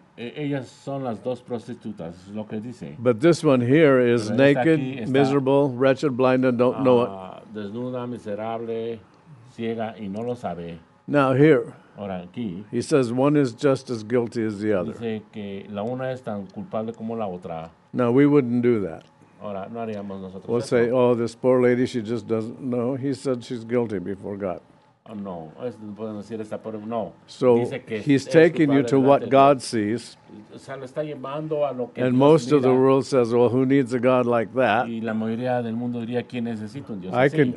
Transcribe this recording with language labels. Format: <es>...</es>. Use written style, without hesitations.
<es>Ellas son las dos prostitutas, es lo que dice.</es> <en>But this one here is naked, miserable, wretched, blind, and don't know it.</en> <es>Desnuda, miserable, ciega, y no lo sabe.</es> <en>Now here,</en> <es>ahora aquí,</es> <en>he says one is just as guilty as the other.</en> <es>Dice que la una es tan culpable como la otra.</es> <en>Now we wouldn't do that.</en> <es>Ahora, no haríamos nosotros</es> <en>we'll</en> <es>eso.</es> <en>Say, oh, this poor lady, she just doesn't know. He said she's guilty before God. No. So he's taking you to what God sees. And most of the world says, well, who needs a God like that?</en>